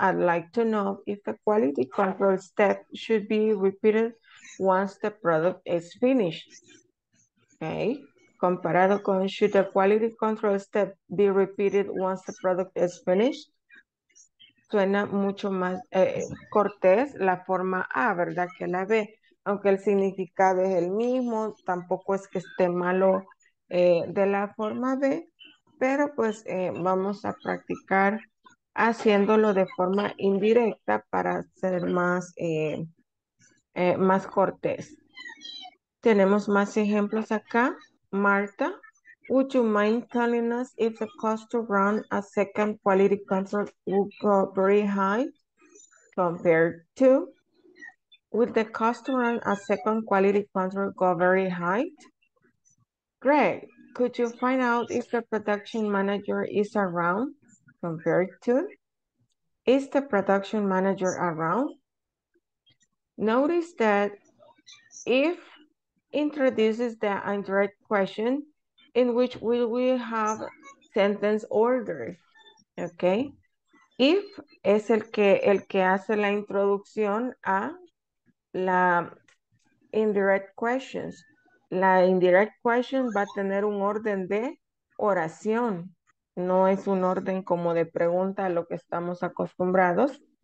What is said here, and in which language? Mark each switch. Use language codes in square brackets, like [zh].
[en] I'd like to know if the quality control step should be repeated once the product is finished. Okay. [es] Comparado con, [en] should the quality control step be repeated once the product is finished? [es] Suena mucho más cortés la forma A, ¿verdad? Que la B. Aunque el significado es el mismo, tampoco es que esté malo de la forma B. Pero pues vamos a practicar haciéndolo de forma indirecta para ser más, más cortés. Tenemos más ejemplos acá. [en] Marta, would you mind telling us if the cost to run a second quality control would go very high compared to? Would the cost to run a second quality control go very high? Greg, could you find out if the production manager is around compared to? Is the production manager around? Notice that if introduces the indirect question in which we will have sentence order. Okay. [es] If es el que hace la introducción a la indirect questions. La indirect question va a tener un orden de oración. No es un orden como de pregunta a lo que estamos acostumbrados.